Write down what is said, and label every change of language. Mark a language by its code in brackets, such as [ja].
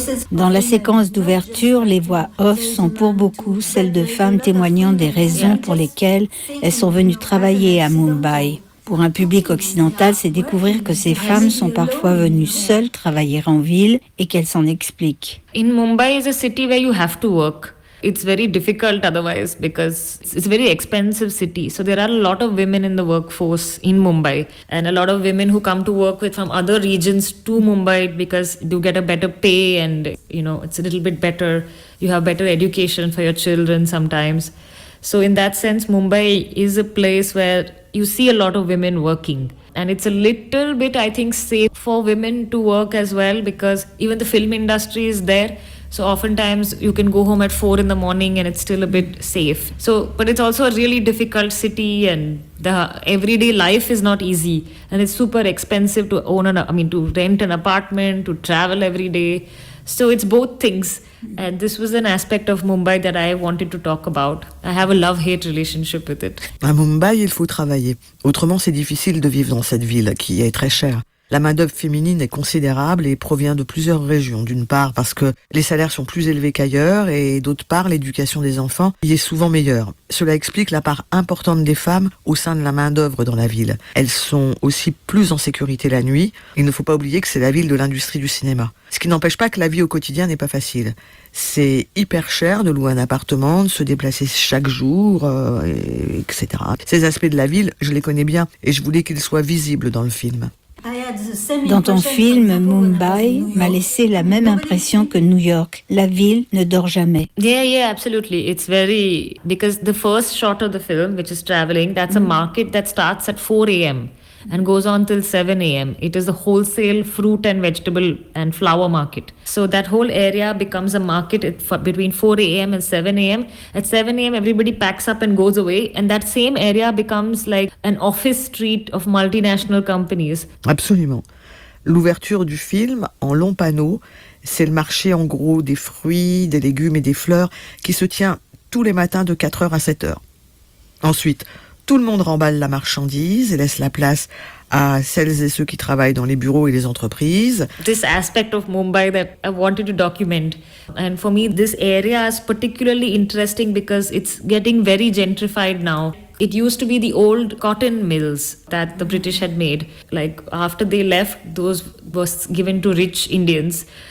[fr] Dans la séquence d'ouverture, les voix off sont pour beaucoup celles de femmes témoignant des raisons pour lesquelles elles sont venues travailler à Mumbai. Pour un public occidental, c'est découvrir que ces femmes sont parfois venues seules travailler en ville et qu'elles s'en expliquent. [en] In Mumbai is a city where you have to work. It's very difficult otherwise because it's a very expensive city. So there are a lot of women in the workforce in Mumbai and a lot of women who come to work with from other regions to Mumbai because you get a better pay and, you know, it's a little bit better. You have better education for your children sometimes. So in that sense, Mumbai is a place where you see a lot of women working. And it's a little bit, I think, safe for women to work as well because even the film industry is there. So oftentimes you can go home at 4 in the morning and it's still a bit safe. So, but it's also a really difficult city and the everyday life is not easy. And it's super expensive to own to rent an apartment, to travel every day. So it's both things. And this was an aspect of Mumbai that I wanted to talk about. I have a love-hate relationship with it. [fr] À Mumbai, il faut travailler. Autrement, c'est difficile de vivre dans cette ville qui est très chère. La main-d'œuvre féminine est considérable et provient de plusieurs régions. D'une part, parce que les salaires sont plus élevés qu'ailleurs et d'autre part, l'éducation des enfants y est souvent meilleure. Cela explique la part importante des femmes au sein de la main-d'œuvre dans la ville. Elles sont aussi plus en sécurité la nuit. Il ne faut pas oublier que c'est la ville de l'industrie du cinéma. Ce qui n'empêche pas que la vie au quotidien n'est pas facile. C'est hyper cher de louer un appartement, de se déplacer chaque jour, etc. Ces aspects de la ville, je les connais bien et je voulais qu'ils soient visibles dans le film. Dans ton film, Mumbai m'a laissé la même impression que New York. La ville ne dort jamais. [en] Yeah, absolutely. It's very... Because the first shot of the film, which is traveling, that's a market that starts at 4 a.m. and goes on till 7 a.m. It is a wholesale fruit and vegetable and flower market. So that whole area becomes a market between 4 a.m. and 7 a.m. At 7 a.m., everybody packs up and goes away. And that same area becomes like an office street of multinational companies. [fr] Absolument. L'ouverture du film en long panneau, c'est le marché en gros des fruits, des légumes et des fleurs qui se tient tous les matins de 4h à 7h. Ensuite, tout le monde remballe la marchandise et laisse la place à celles et ceux qui travaillent dans les bureaux et les entreprises. [en] This aspect of Mumbai that I wanted to document. And for me, this area is particularly interesting because it's getting very gentrified now. It used to be the old cotton mills that the British had made. Like, after they left, those was given to rich Indians.